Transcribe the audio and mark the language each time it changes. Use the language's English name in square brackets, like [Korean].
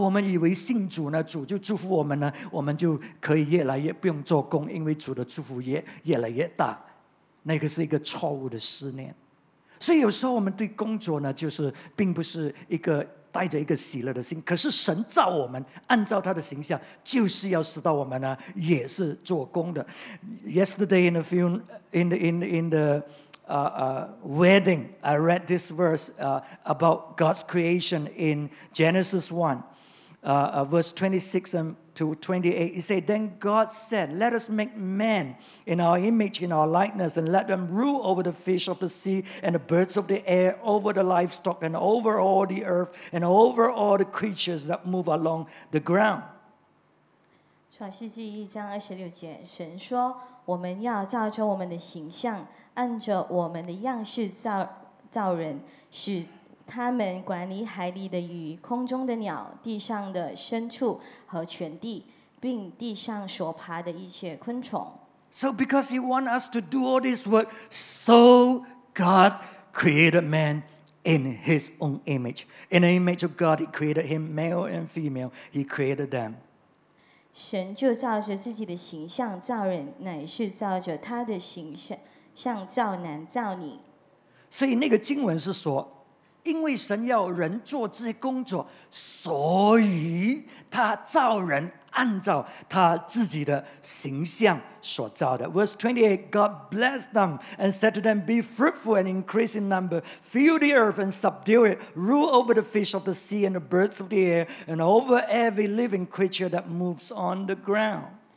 [Chinese] 我们以为信主呢，主就祝福我们呢，我们就可以越来越不用做工，因为主的祝福越来越大。那个是一个错误的思念。所以有时候我们对工作呢，就是并不是一个带着一个喜乐的心，可是神造我们按照他的形象，就是要使到我们呢也是做工的。 [English] Yesterday in the film, in the wedding, I read this verse about God's creation in Genesis 1, verse 26 to 28. It said, "Then God said, 'Let us make man in our image, in our likeness, and let them rule over the fish of the sea and the birds of the air, over the livestock and over all the earth and over all the creatures that move along the ground.'" [Chinese] 创世纪一章二十六节，神说：“我们要照着我们的形象，按着我们的样式造人，使他们管理海里的鱼、空中的鸟、地上的牲畜和全地，并地上所爬的一切昆虫。 [English] So because he wants us to do all this work, so God created man in his own image. In the image of God, he created him male and female. He created them. [Chinese] 神就照着自己的形象造人，乃是照着他的形象造男造女。所以那个经文是说，因为神要人做这些工作，所以他造人按照他自己的形象所造的。 [English] Verse 28, God blessed them and said to them, "Be fruitful and increase in number. Fill the earth and subdue it. Rule over the fish of the sea and the birds of the air and over every living creature that moves on the ground."